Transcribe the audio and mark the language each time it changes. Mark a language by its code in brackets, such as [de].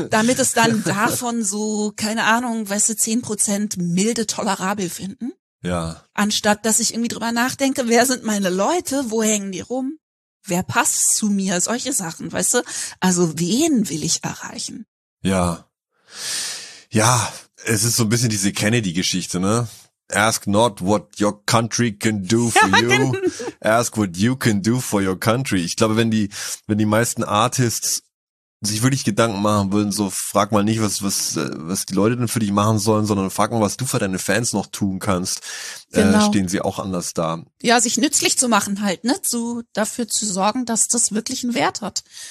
[de] damit es dann davon so, keine Ahnung, weißt du, 10% milde tolerabel finden, ja, anstatt dass ich irgendwie drüber nachdenke, wer sind meine Leute, wo hängen die rum, wer passt zu mir, solche Sachen, weißt du, also wen will ich erreichen? Ja. Es ist so ein bisschen diese Kennedy-Geschichte, ne? [en] Ask not what your country can do for you, ask what you can do for your country. [de] Ich glaube, wenn die meisten Artists sich wirklich Gedanken machen würden, so frag mal nicht, was die Leute denn für dich machen sollen, sondern frag mal, was du für deine Fans noch tun kannst, stehen sie auch anders da. Ja, sich nützlich zu machen halt, ne? Dafür zu sorgen, dass das wirklich einen Wert hat.